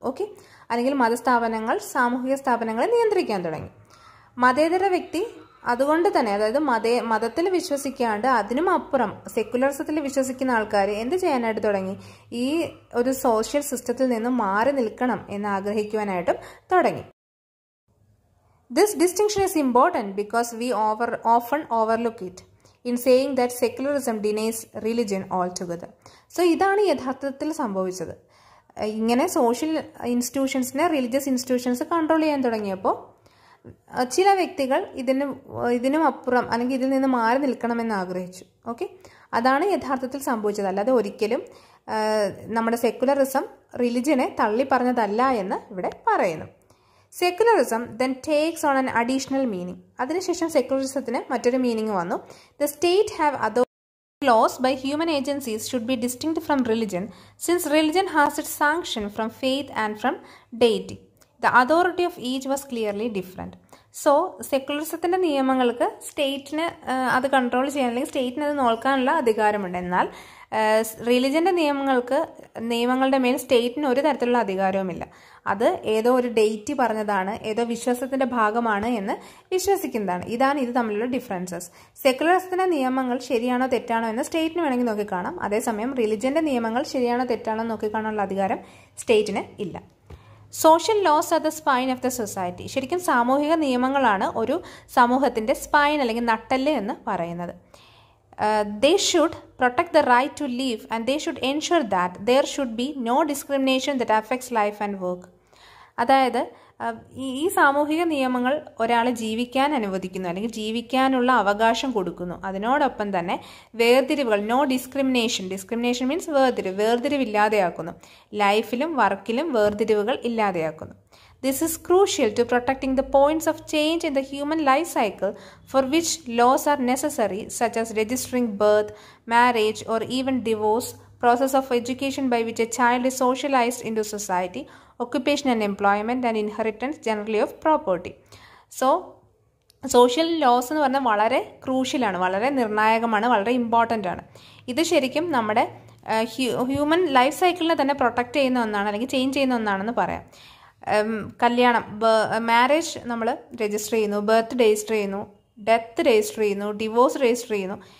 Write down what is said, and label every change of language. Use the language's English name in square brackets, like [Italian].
[Malayalam] Okay, അല്ലെങ്കിൽ മതസ്ഥാപനങ്ങൾ സാമൂഹിക സ്ഥാപനങ്ങളെ നിയന്ത്രിക്കാൻ തുടങ്ങി. മതേതര വ്യക്തി അതുകൊണ്ട് തന്നെ, അതായത് മതത്തിൽ വിശ്വസിക്കാണ്ട് അതിനും അപ്പുറം സെക്കുലറിസത്തിൽ വിശ്വസിക്കുന്ന ആൾക്കാർ എന്ത് ചെയ്യാനായിട്ട് തുടങ്ങി? ഈ ഒരു സോഷ്യൽ സിസ്റ്റത്തിൽ നിന്ന് മാറി നിൽക്കണം എന്ന് ആഗ്രഹിക്കുവാനായിട്ടും തുടങ്ങി. [English] This distinction is important because we often overlook it in saying that secularism denies religion altogether. [Malayalam] So, ഇതാണ് യഥാർത്ഥത്തിൽ സംഭവിച്ചത്. ഇങ്ങനെ സോഷ്യൽ ഇൻസ്റ്റിറ്റ്യൂഷൻസിനെ റിലിജിയസ് ഇൻസ്റ്റിറ്റ്യൂഷൻസ് കൺട്രോൾ ചെയ്യാൻ തുടങ്ങിയപ്പോൾ ചില വ്യക്തികൾ ഇതിനും അപ്പുറം, അല്ലെങ്കിൽ ഇതിൽ നിന്ന് മാറി നിൽക്കണമെന്ന് ആഗ്രഹിച്ചു. ഓക്കെ, അതാണ് യഥാർത്ഥത്തിൽ സംഭവിച്ചത്. അല്ലാതെ ഒരിക്കലും നമ്മുടെ സെക്കുലറിസം റിലിജിയനെ തള്ളിപ്പറഞ്ഞതല്ല എന്ന് ഇവിടെ പറയുന്നു. [English] Secularism then takes on an additional meaning. [Malayalam] അതിനുശേഷം സെക്കുലറിസത്തിന് മറ്റൊരു മീനിങ് വന്നു. [English] The state have authority laws by human agencies should be distinct from religion, since religion has its sanction from faith and from deity. The authority of each was clearly different. [Malayalam] So സെക്കുലറിസത്തിൻ്റെ നിയമങ്ങൾക്ക് സ്റ്റേറ്റിന് അത് control ചെയ്യാൻ, അല്ലെങ്കിൽ സ്റ്റേറ്റിന് അത് നോക്കാനുള്ള അധികാരമുണ്ട്. എന്നാൽ റിലിജൻ്റെ നിയമങ്ങളുടെ മേൽ സ്റ്റേറ്റിന് ഒരു തരത്തിലുള്ള അധികാരവുമില്ല. അത് ഏതോ ഒരു ഡേറ്റ് പറഞ്ഞതാണ്, ഏതോ വിശ്വാസത്തിൻ്റെ ഭാഗമാണ് എന്ന് വിശ്വസിക്കുന്നതാണ്. ഇതാണ് ഇത് തമ്മിലുള്ള ഡിഫറൻസസ്. സെക്കുലറിസത്തിൻ്റെ നിയമങ്ങൾ ശരിയാണോ തെറ്റാണോ എന്ന് സ്റ്റേറ്റിന് വേണമെങ്കിൽ നോക്കിക്കാണാം. അതേസമയം റിലിജൻ്റെ നിയമങ്ങൾ ശരിയാണോ തെറ്റാണോ നോക്കിക്കാണാനുള്ള അധികാരം സ്റ്റേറ്റിന് ഇല്ല. [English] Social laws are the spine of the society. [Malayalam] ശരിക്കും സാമൂഹിക നിയമങ്ങളാണ് ഒരു സമൂഹത്തിൻ്റെ സ്പൈൻ, അല്ലെങ്കിൽ നട്ടല്ല് എന്ന് പറയുന്നത്. [English] They should protect the right to live, and they should ensure that there should be no discrimination that affects life and work. [Malayalam] അതായത് ഈ സാമൂഹിക നിയമങ്ങൾ ഒരാളെ ജീവിക്കാൻ അനുവദിക്കുന്നു, അല്ലെങ്കിൽ ജീവിക്കാനുള്ള അവകാശം കൊടുക്കുന്നു. അതിനോടൊപ്പം തന്നെ വേർതിരിവുകൾ, നോ ഡിസ്ക്രിമിനേഷൻ, ഡിസ്ക്രിമിനേഷൻ മീൻസ് വേർതിരിവ്, വേർതിരിവില്ലാതെയാക്കുന്നു. ലൈഫിലും വർക്കിലും വേർതിരിവുകൾ ഇല്ലാതെയാക്കുന്നു. [English] This is crucial to protecting the points of change in the human life cycle for which laws are necessary, such as registering birth, marriage, or even divorce, process of education by which a child is socialized into society, occupation and employment, and inheritance generally of property. [Malayalam] So, social loss എന്ന് പറഞ്ഞാൽ വളരെ ക്രൂഷ്യലാണ്, വളരെ നിർണായകമാണ്, വളരെ important ആണ്. ഇത് ശരിക്കും നമ്മുടെ ഹ്യൂമൻ ലൈഫ് സൈക്കിളിനെ തന്നെ പ്രൊട്ടക്റ്റ് ചെയ്യുന്ന ഒന്നാണ്, അല്ലെങ്കിൽ ചേഞ്ച് ചെയ്യുന്ന ഒന്നാണെന്ന് പറയാം. കല്യാണം, മാരേജ് നമ്മൾ രജിസ്റ്റർ ചെയ്യുന്നു, ബർത്ത് രജിസ്റ്റർ ചെയ്യുന്നു, ഡെത്ത് രജിസ്റ്റർ ചെയ്യുന്നു, ഡിവോഴ്സ് രജിസ്റ്റർ ചെയ്യുന്നു.